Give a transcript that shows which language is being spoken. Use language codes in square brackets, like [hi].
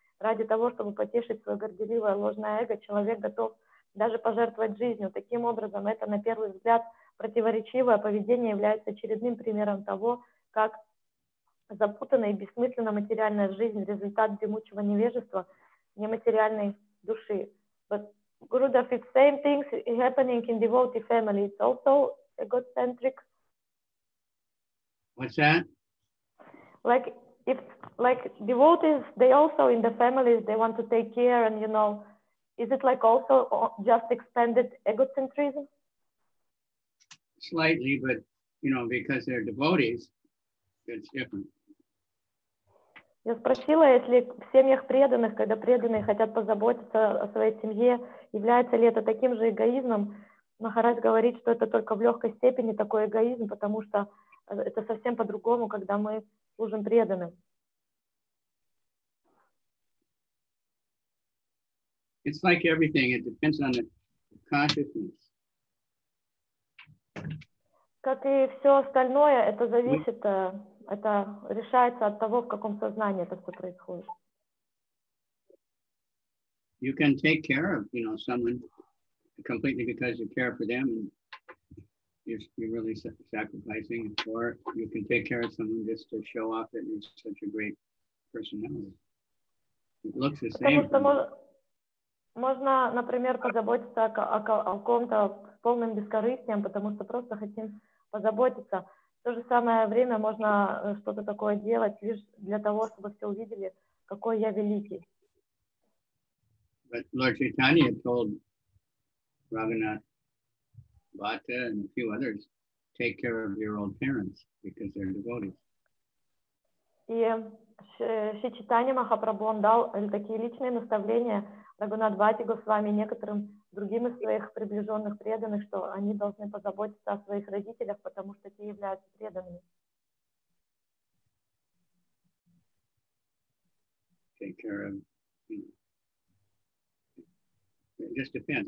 [ru] Ради того, чтобы потешить свое горделивое ложное эго, человек готов даже пожертвовать жизнью. Таким образом, это на первый взгляд противоречивое поведение является очередным примером того, как запутанная и бессмысленная материальная жизнь – результат дремучего невежества нематериальной души. [en] But Gurudev, it's the same thing happening in devotee family. It's also egocentric. What's that? Like, if, like, devotees, they also in the families, they want to take care and, you know, is it like also just expanded egocentrism? Slightly, but, you know, because they're devotees, it's different. [ru] Я спросила, если в семьях преданных, когда преданные хотят позаботиться о своей семье, является ли это таким же эгоизмом? Махарадж говорит, что это только в легкой степени такой эгоизм, потому что это совсем по-другому, когда мы служим преданным. [en] It's like everything. It depends on the consciousness. [ru] Как и все остальное, это зависит... Это решается от того, в каком сознании это все происходит. [en] You can take care of, you know, someone completely because you care for them and you're really sacrificing, or you can take care of someone just to show off that you're such a great personality. It looks the same. [ru] Можно, например, позаботиться о ком-то с полным бескорыстием, потому что просто хотим позаботиться. В то же самое время можно что-то такое делать лишь для того, чтобы все увидели, какой я великий. [en] But Lord Chaitanya told Raghunath Bhatta and a few others, take care of your old parents because they're devotees. [ru] И Шри Чайтанья Махапрабху дал такие личные наставления Раганат Бхатте Госвами и некоторым другим из своих приближенных преданных, что они должны позаботиться о своих родителях, потому что те являются преданными. [en] Take care of, you know. It just depends.